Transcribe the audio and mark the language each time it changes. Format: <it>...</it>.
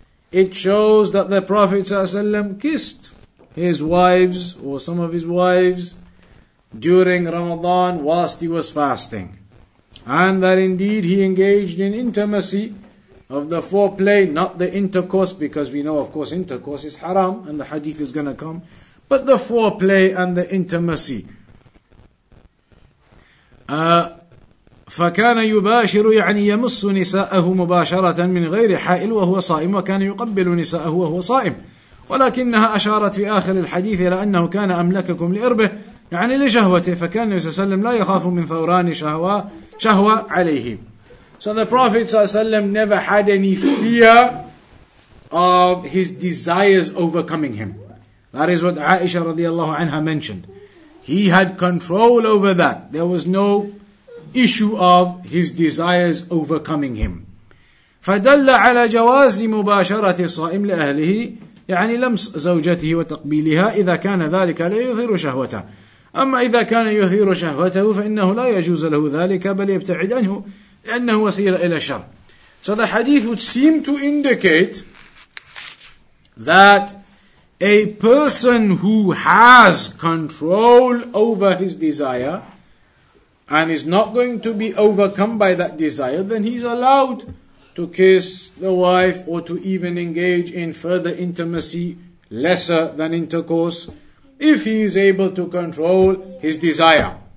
<en>It shows that the Prophet ﷺ kissed his wives or some of his wives during Ramadan whilst he was fasting. And that indeed he engaged in intimacy of the foreplay, not the intercourse, because we know of course intercourse is haram and the hadith is going to come, but the foreplay and the intimacy.</en> <ar>فكان يباشر يعني يمس نساءه مباشرة من غير حائل وهو صائم وكان يقبل نساءه وهو صائم ولكنها أشارت في آخر الحديث إلى أنه كان أملككم لإربه يعني لشهوته فكان النبي صلى الله عليه وسلم لا يخاف من ثوران شهوة عليه.</ar> <en>So the Prophet صلى الله عليه وسلم never had any fear of his desires overcoming him. That is what Aisha رضي الله عنها mentioned. He had control over that. There was no issue of his desires overcoming him.</en> <ar>فَدَلَّ عَلَى جَوَازِ مُبَاشَرَةِ الصَّائِمِ لِأَهْلِهِ يعني لمس زوجته وتقبيلها إذا كان ذلك لا يثير شهوته. أما إذا كان يثير شهوته فإنه لا يجوز له ذلك بل يبتعد عنه لأنه وسيلة إلى الشر.</ar> <en>So the hadith would seem to indicate that a person who has control over his desire and is not going to be overcome by that desire, then he's allowed to kiss the wife or to even engage in further intimacy, lesser than intercourse, if he is able to control his desire.</en>